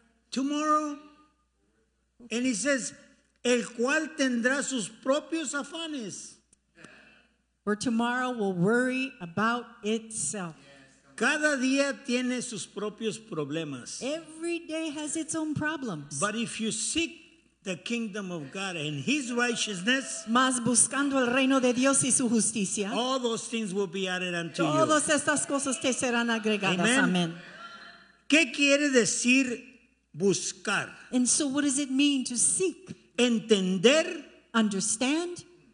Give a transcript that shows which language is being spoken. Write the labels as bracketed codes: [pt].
[en] Tomorrow. And he says, [es] el cual tendrá sus propios afanes. [en] For tomorrow will worry about itself. [es] Cada día tiene sus propios problemas. [en] Every day has its own problems. But if you seek the kingdom of God and his righteousness, [es] mas buscando el reino de Dios y su justicia, [en] all those things will be added unto you. [es] Todas estas cosas te serán agregadas. [en] Amen. Amen. [es] ¿Qué quiere decir buscar? [en] And so what does it mean to seek? [es] Entender. [en] Understand.